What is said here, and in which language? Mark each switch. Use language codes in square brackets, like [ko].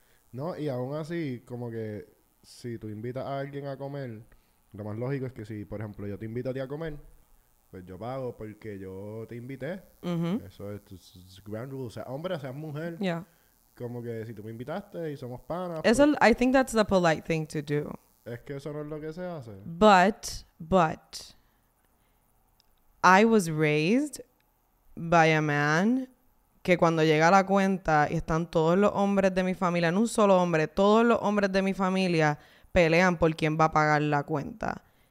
[es] No, y aún así, como que si tú invitas a alguien a comer, Lo más lógico es que si, por ejemplo, yo te invito a ti a comer, pues yo pago porque yo te invité. Uh-huh. Eso es ground rule. O sea, hombre, seas mujer. Yeah. Como que si tú me invitaste y somos panas. [en] Pues, I think that's the polite thing to do. [es] Es que eso no es lo que se hace. [en] But, I was raised by a man [es] que cuando llega la cuenta y están todos los hombres de mi familia, no un solo hombre, todos los hombres de mi familia pelean por quién va a pagar la cuenta.